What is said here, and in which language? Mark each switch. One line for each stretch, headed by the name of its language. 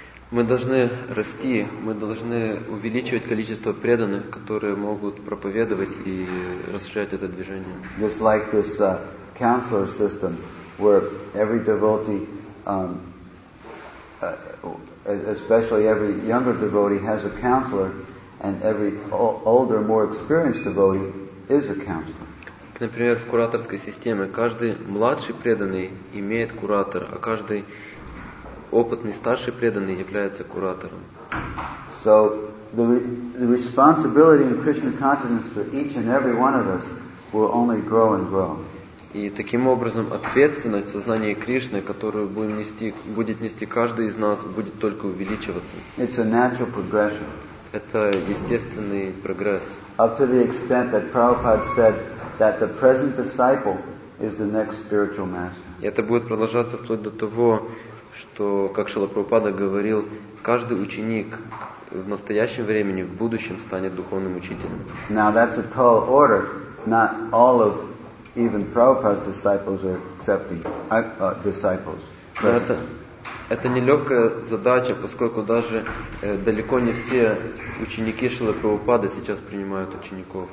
Russian: Мы должны расти, мы должны увеличивать количество преданных, которые могут проповедовать и расширять это движение.
English: Just like this counselor system, where every devotee, especially every younger devotee, has a counselor, and every older, more experienced devotee is a counselor.
Russian: Например, в кураторской системе каждый младший преданный имеет куратора, а каждый опытный старший преданный является куратором.
English: So the responsibility in Krishna consciousness for each and every one of us will only grow and grow.
Russian: И таким образом ответственность в сознании Кришны, которую будем нести, будет нести каждый из нас, будет только увеличиваться.
English: It's a natural progression.
Russian: Это естественный прогресс.
English: Up to the extent that Prabhupada said that the present disciple is the next spiritual master.
Russian: И это будет продолжаться вплоть до того, что, как Шрила Прабхупада говорил, каждый ученик в настоящем времени, в будущем станет духовным учителем.
English: Now that's a tall order. Not all of even Prabhupada's disciples are accepting disciples.
Russian: Это нелегкая задача, поскольку даже далеко не все ученики Шрилы Прабхупады сейчас принимают учеников.